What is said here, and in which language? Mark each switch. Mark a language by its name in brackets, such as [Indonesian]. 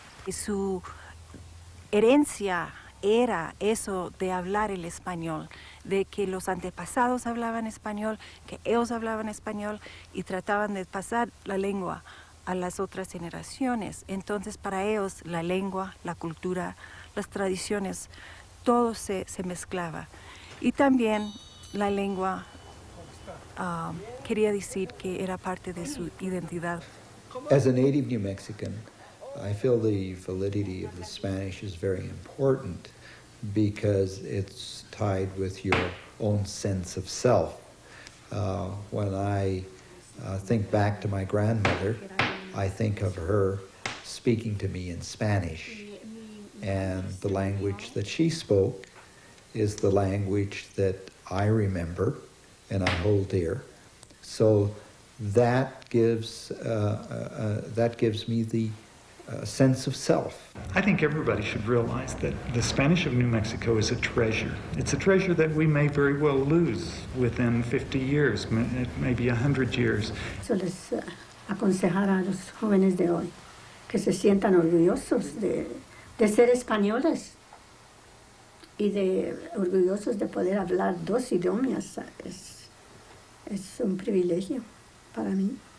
[Spanish] Y su herencia era eso de hablar el español, de que los antepasados hablaban español, que ellos hablaban español y trataban de pasar la lengua a las otras generaciones. Entonces, para ellos, la lengua, la cultura, las tradiciones, todo se mezclaba. Y también la lengua quería decir que era parte de su identidad. [English] As a native New Mexican, I feel the validity of the Spanish is very important because it's tied with your own sense of self. When I think back to my grandmother, I think of her speaking to me in Spanish. And the language that she spoke is the language that I remember and I hold dear. So that gives me the sense of self. I think everybody should realize that the Spanish of New Mexico is a treasure. It's a treasure that we may very well lose within 50 years, maybe 100 years. [Spanish] So les aconsejar a los jóvenes de hoy que se sientan orgullosos de ser españoles y de orgullosos de poder hablar dos idiomas. Es un privilegio para mí.